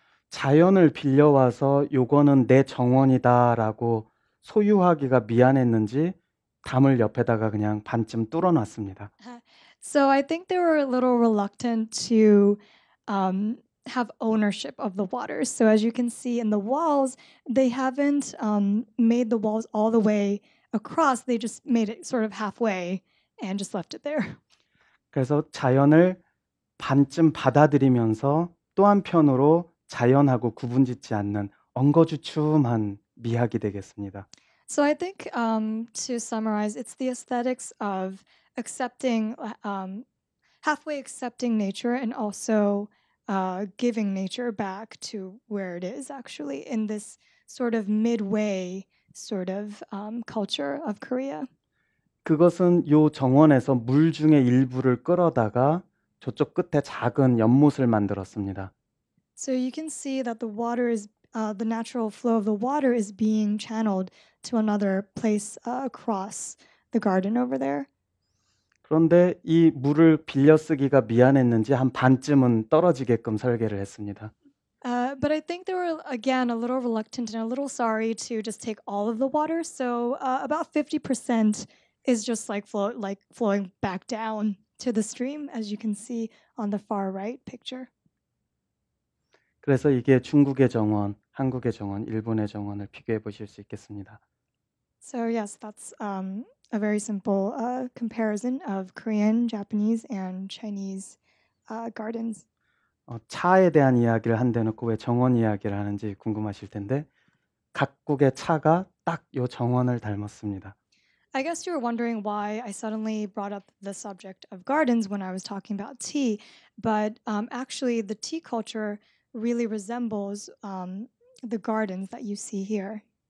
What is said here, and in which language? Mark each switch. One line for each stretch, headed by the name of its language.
Korean: 자연을 빌려와서 요거는 내 정원이다라고 소유하기가 미안했는지 담을 옆에다가 그냥 반쯤 뚫어놨습니다.
English: So I think they were a little reluctant to have ownership of the water. So as you can see in the walls, they haven't made the walls all the way across. They just made it sort of halfway and just left it there.
Korean: 그래서 자연을 반쯤 받아들이면서 또 한편으로 자연하고 구분짓지 않는 엉거주춤한 미학이 되겠습니다.
English: So I think to summarize, it's the aesthetics of accepting, halfway accepting nature and also giving nature back to where it is actually in this sort of midway sort of culture of Korea.
Korean: 그것은 요 정원에서 물 중에 일부를 끌어다가 저쪽 끝에 작은 연못을 만들었습니다.
English: So you can see that the water is the natural flow of the water is being channeled to another place across the garden over there.
Korean: 그런데 이 물을 빌려 쓰기가 미안했는지 한 반쯤은 떨어지게끔 설계를 했습니다.
English: But I think they were again a little reluctant and a little sorry to just take all of the water. So about 50% is just flowing back down to the stream, as you can see on the far right picture.
Korean: 그래서 이게 중국의 정원, 한국의 정원, 일본의 정원을 비교해 보실 수 있겠습니다.
English: So yes, that's a very simple comparison of Korean, Japanese, and Chinese gardens.
Korean: 차에 대한 이야기를 한 대놓고 왜 정원 이야기를 하는지 궁금하실 텐데 각국의 차가 딱 요 정원을 닮았습니다.
English: I guess you were wondering why I suddenly brought up the subject of gardens when I was talking about tea, but actually the tea culture really resembles the gardens that you see here.